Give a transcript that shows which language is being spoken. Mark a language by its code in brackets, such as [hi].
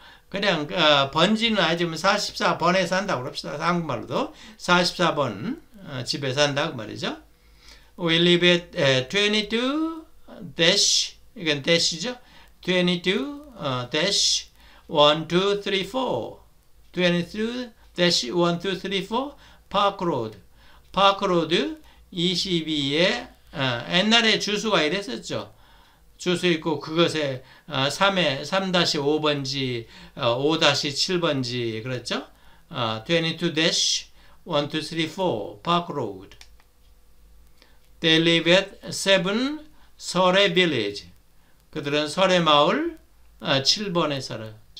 [ko] 그냥 번지는 아니지만 44번에 산다고 합시다. 한국말로도 44번 집에 산다고 말이죠. [en] We live at 22 dash [ko] 이건 dash죠. [en] 22 dash 1234 Park Road [ko] 22에 옛날에 주소가 이랬었죠. 주소 있고 그것에 3-5번지 5-7번지 그랬죠? [en] 22-1234 Park Road. They live at 7 설의 빌리지. [ko] 그들은 설의 마을 7번에 살아.